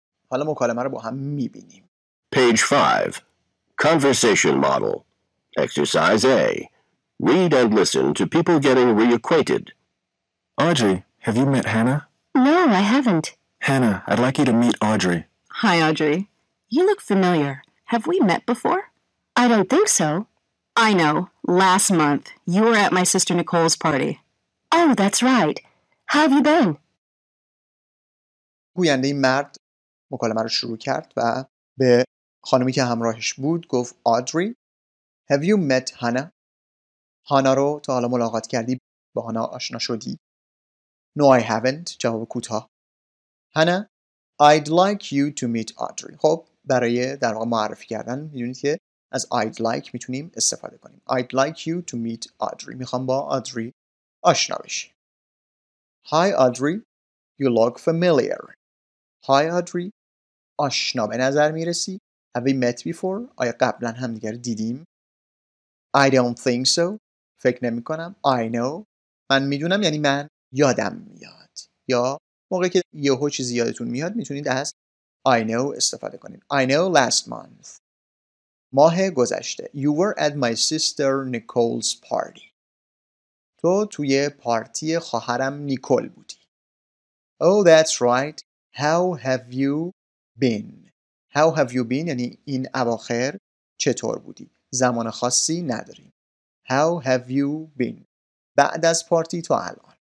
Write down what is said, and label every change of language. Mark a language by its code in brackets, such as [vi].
[fa] حالا مکالمه رو با هم می‌بینیم. [en] Page 5. Conversation model. Exercise A. Read and listen to people getting reacquainted. Audrey, have you met Hannah? No, I haven't. Hannah, I'd like you to meet Audrey. Hi, Audrey. You look familiar. Have we met before? I don't think so. I know. Last month, you were at my sister Nicole's party. Oh, that's right. How have you been? [fa] گوینده مرد مکالمه رو شروع کرد و به خانمی که همراهش بود گفت [en] Audrey, have you met Hannah? [fa] هانا رو تا حالا ملاقات کردی؟ با هانا آشنا شدی؟ [en] No, I haven't. [fa] جواب کوتاه. [en] Hannah, I'd like you to meet Audrey. [fa] خب برای در واقع معرفی کردن میدونید که از [en] I'd like [fa] میتونیم استفاده کنیم. [en] I'd like you to meet Audrey. [fa] میخوام با Audrey آشنا بشی. [en] Hi Audrey, you look familiar. Hi Audrey, [fa] آشنا به نظر میرسی. [en] Have we met before? [fa] آیا قبلا هم دیگر دیدیم؟ [en] I don't think so. [fa] فکر نمی کنم. [en] I know. [fa] من می دونم، یعنی من یادم میاد. یا موقعی که یه هو چیزی یادتون میاد میتونید از [en] I know [fa] استفاده کنید. [en] I know last month. [fa] ماه گذشته. [en] You were at my sister Nicole's party. [fa] تو توی پارتی خواهرم نیکول بودی. [en] Oh, that's right. How have you been? How have you been؟ [fa] یعنی این اواخر چطور بودی؟ زمان خاصی نداریم. [en] How have you been؟ [fa] بعد از پارتی تا الان.